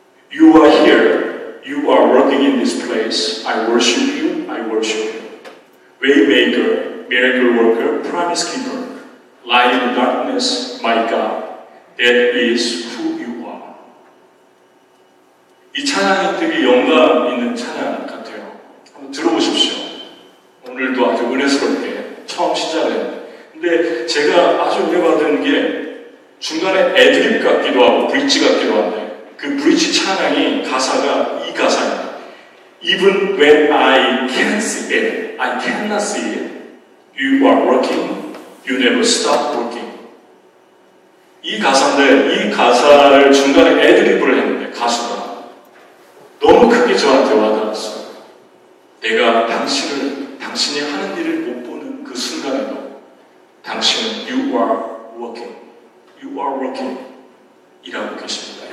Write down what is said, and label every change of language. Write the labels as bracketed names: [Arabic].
[English] You are here, you are working in this place. I worship you, I worship you. Waymaker, miracle worker, promise keeper. Light in the darkness, my God, that is who you are. [Korean] 이 찬양이 되게 영감 있는 찬양 같아요. 한번 들어보십시오. 오늘도 아주 은혜스럽게 처음 시작을 했는데. 근데 제가 아주 은혜받은 게 중간에 애드립 같기도 하고 브릿지 같기도 한데 그 브릿지 찬양이 가사가 이 가사입니다. [English] Even when I can't see it, I cannot see it. You are working, you never stop working. [Korean] 이 가사인데, 이 가사를 중간에 애드리브를 했는데, 가수가. 너무 크게 저한테 와닿았어요. 내가 당신을, 당신이 하는 일을 못 보는 그 순간에도 당신은 [English] You are working. You are working. [Korean] 일하고 계십니다.